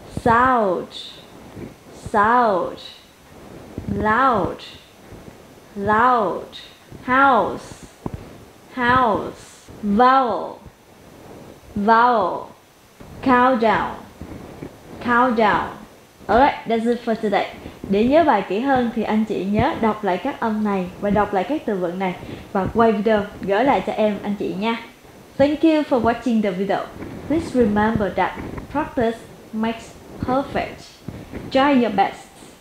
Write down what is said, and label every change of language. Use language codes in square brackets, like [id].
[en] Sound, sound. Loud, loud. House, house. Vowel, vowel. Countdown, countdown. Alright, that's it for today. [vi] Để nhớ bài kỹ hơn thì anh chị nhớ đọc lại các âm này và đọc lại các từ vựng này và quay video gửi lại cho em anh chị nha. [en] Thank you for watching the video. Please remember that practice makes perfect. Try your best.